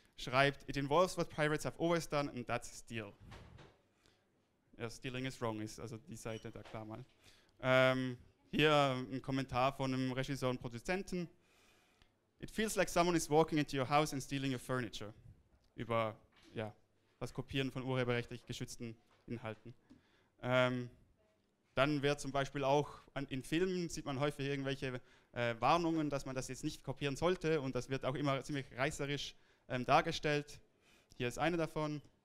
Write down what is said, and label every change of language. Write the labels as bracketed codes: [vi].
[de] schreibt, [en] it involves what pirates have always done and that's steal. [de] Ja, [en] stealing is wrong, [de] ist also die Seite da klar mal. Hier ein Kommentar von einem Regisseur und Produzenten. [en] It feels like someone is walking into your house and stealing your furniture. [de] Über ja, das Kopieren von urheberrechtlich geschützten Inhalten. Dann wird zum Beispiel auch in Filmen sieht man häufig irgendwelche Warnungen, dass man das jetzt nicht kopieren sollte und das wird auch immer ziemlich reißerisch dargestellt. Hier ist eine davon.